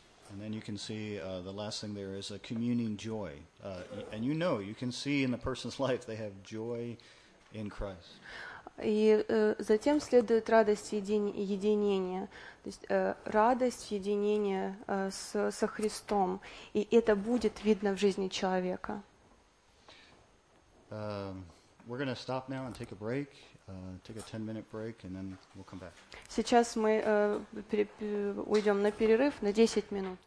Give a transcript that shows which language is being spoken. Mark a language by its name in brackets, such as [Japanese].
[English] And then you can see the last thing there is a communing joy. And you know, you can see in the person's life they have joy in Christ. [Russian] И затем следует радость единения, то есть радость единения со Христом. И это будет видно в жизни человека. [English] We're going to stop now and take a break, take a 10-minute break, and then we'll come back. [Russian] Сейчас мы уйдем на перерыв на 10 минут.